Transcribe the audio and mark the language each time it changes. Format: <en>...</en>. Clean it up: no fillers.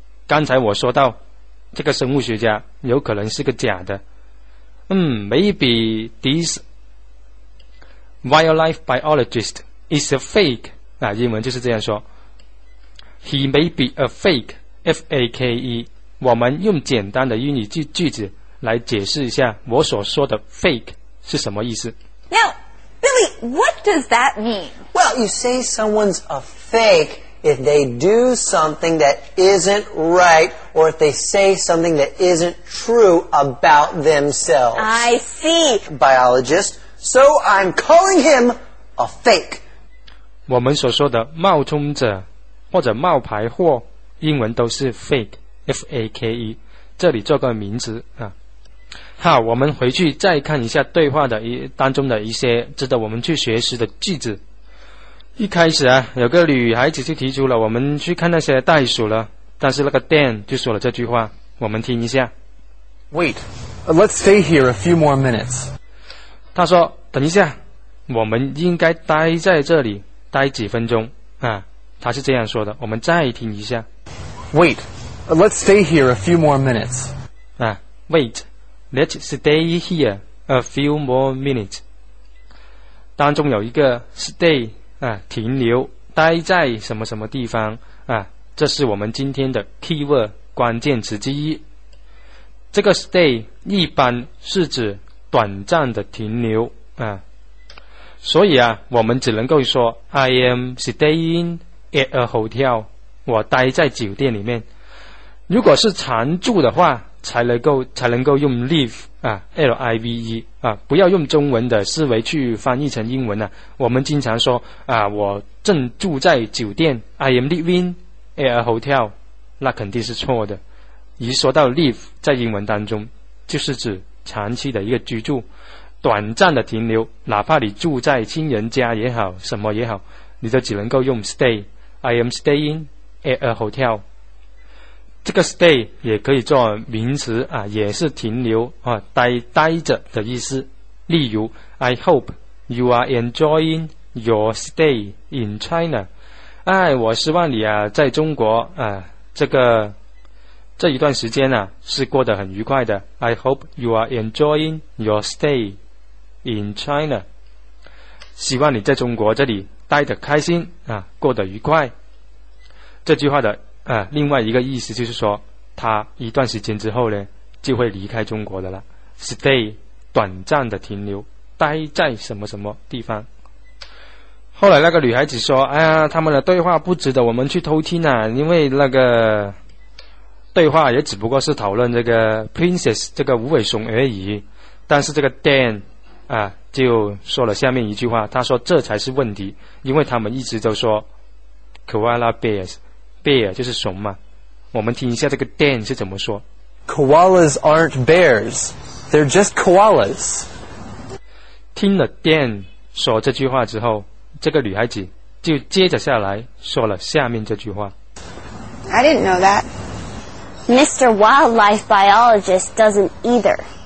<zh>刚才我说到这个生物学家有可能是个假的，</zh> <en>maybe this wildlife biologist is a fake</en> <zh>啊，英文就是这样说，</zh> <en>he may be a fake，</en> <zh>F-A-K-E。我们用简单的英语 句子来解释一下我所说的 fake 是什么意思。</zh> <en>Now Billy, what does that mean? Well, you say someone's a fakeIf they do something that isn't right, or if they say something that isn't true about themselves. I see. Biologist, so I'm calling him a fake.</en> <zh>我们所说的冒充者或者冒牌货，英文都是 fake, F-A-K-E, 这里做个名词啊。好，我们回去再看一下对话的当中的一些值得我们去学习的句子。一开始啊，有个女孩子就提出了我们去看那些袋鼠了，但是那个 Dan 就说了这句话，我们听一下。</zh> <en>Wait, let's stay here a few more minutes.</en> <zh>他说等一下，我们应该待在这里待几分钟啊，他是这样说的，我们再听一下。</zh> <en>Wait, let's stay here a few more minutes. 啊 ,wait, let's stay here a few more minutes.</en> <zh>当中有一个 stay,啊，停留，待在什么什么地方啊？这是我们今天的 keyword 关键词之一。这个 stay 一般是指短暂的停留啊，所以啊，我们只能够说</zh> <en>I am staying at a hotel，</en> <zh>我待在酒店里面。如果是常住的话，才能够用 live 啊 ，L-I-V-E 啊，不要用中文的思维去翻译成英文呢、啊。我们经常说啊，我正住在酒店 ，</zh> <en>I am living at a hotel，</en> <zh>那肯定是错的。一说到 live， 在英文当中就是指长期的一个居住，短暂的停留，哪怕你住在亲人家也好，什么也好，你都只能够用 stay。</zh> <en>I am staying at a hotel。</en> <zh>这个 stay 也可以做名词啊，也是停留啊，待着的意思。</zh> <en>例如 ，I hope you are enjoying your stay in China。</en> <zh>哎，我希望你啊，在中国啊，这一段时间呢、啊，是过得很愉快的。</zh> <en>I hope you are enjoying your stay in China。</en> <zh>希望你在中国这里待得开心啊，过得愉快。这句话的。另外一个意思就是说他一段时间之后呢就会离开中国的了。 stay 短暂的停留，待在什么什么地方。后来那个女孩子说，哎呀，他们的对话不值得我们去偷听啊，因为那个对话也只不过是讨论这个 princess 这个无尾熊而已。但是这个 Dan 啊就说了下面一句话，他说这才是问题，因为他们一直都说 koala bearsBear 就是熊嘛，我们听一下这个 Dan 是怎么说。</zh> <en>Koalas aren't bears, they're just koalas.</en> <zh>听了 Dan 说这句话之后，这个女孩子就接着下来说了下面这句话。</zh> <en>I didn't know that. Mr. Wildlife Biologist doesn't either.</en>